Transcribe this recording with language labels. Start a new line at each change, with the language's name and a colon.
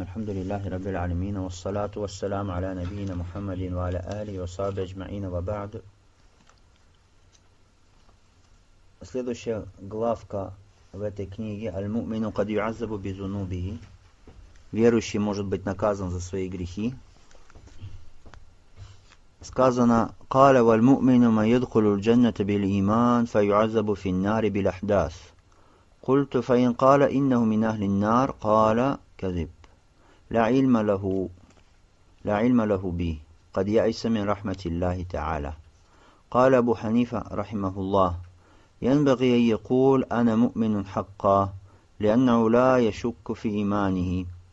Arabic: الحمد لله رب العالمين، والصلاة والسلام على نبينا محمد وعلى آله وصحبه أجمعين، وبعد.
Russian: Следующая главка в этой книге
Arabic: «Аль-Му'мину кад юазабу бизунубихи»
Russian: – «Верующий может быть наказан за свои грехи». Сказано:
Arabic: «Каля валь-му'мину ма йадхулу л-джанната биль-иман, фа юазабу фин-нари биль-ахдас». قلت فإن قال إنه من أهل النار قال كذب لا علم له به قد يأس من رحمة الله تعالى. قال أبو حنيفة رحمه الله: ينبغي أن يقول أنا مؤمن حقا لأنه لا يشك في إيمانه.